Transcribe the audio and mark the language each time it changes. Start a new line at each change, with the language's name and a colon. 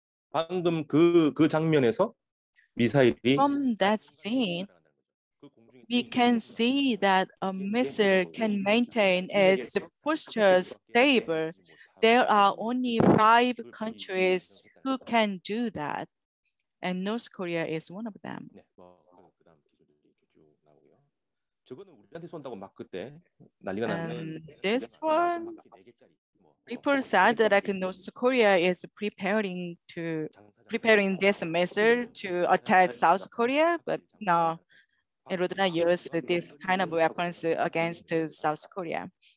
Korean: 방금 그 장면에서 미사일이
English: From that scene, we can see that a missile can maintain its posture stable. There are only five countries who can do that, and North Korea is one of them.
Korean: 네, 뭐 그 다음 기준이 쭉 나오고요. 저거는 우리한테 쏜다고 막 그때 난리가 났는데.
English: This one, people said that like North Korea is preparing this missile to attack South Korea, but no, it would not use this kind of weapons against South Korea.